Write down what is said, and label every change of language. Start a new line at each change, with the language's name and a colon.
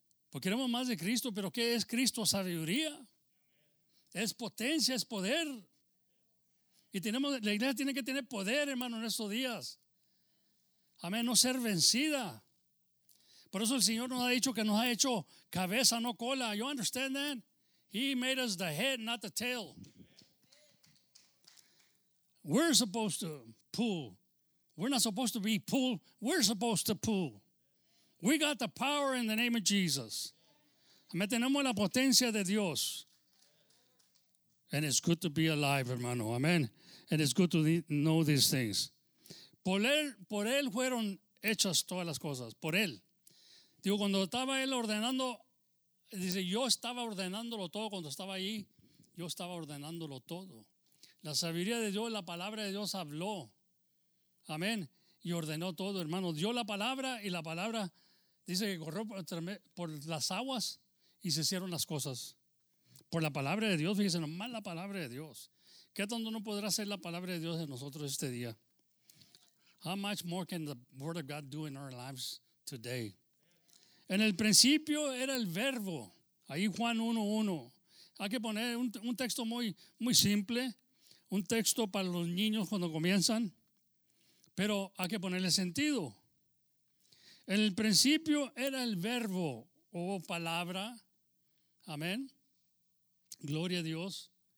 Spanish: Pues queremos más de Cristo, pero ¿qué es Cristo? Sabiduría. Es potencia, es poder. Y tenemos, la iglesia tiene que tener poder, hermano, en estos días. Amén. No ser vencida. Por eso el Señor nos ha dicho que nos ha hecho cabeza, no cola.
English: You understand that? He made us the head, not the tail. We're supposed to pull. We're not supposed to be pulled. We're supposed to pull. We got the power in the name of Jesus.
Spanish: Amén. Tenemos la potencia de Dios.
English: And it's good to be alive,
Spanish: hermano. Amen.
English: And it's good to know these things.
Spanish: Por él fueron hechas todas las cosas. Por él. Digo, cuando estaba él ordenando, dice, yo estaba ordenándolo todo cuando estaba ahí. Yo estaba ordenándolo todo. La sabiduría de Dios, la palabra de Dios habló. Amén. Y ordenó todo, hermano. Dio la palabra y la palabra, dice que corrió por las aguas y se hicieron las cosas. Por la palabra de Dios, fíjense nomás la palabra de Dios. ¿Qué tanto no podrá ser la palabra de Dios en nosotros este día?
English: How much more can the word of God do in our lives today?
Spanish: En el principio era el verbo. Ahí Juan 1:1. Hay que poner un texto muy, muy simple. Un texto para los niños cuando comienzan. Pero hay que ponerle sentido. En el principio era el verbo o palabra. Amén. Gloria a Dios.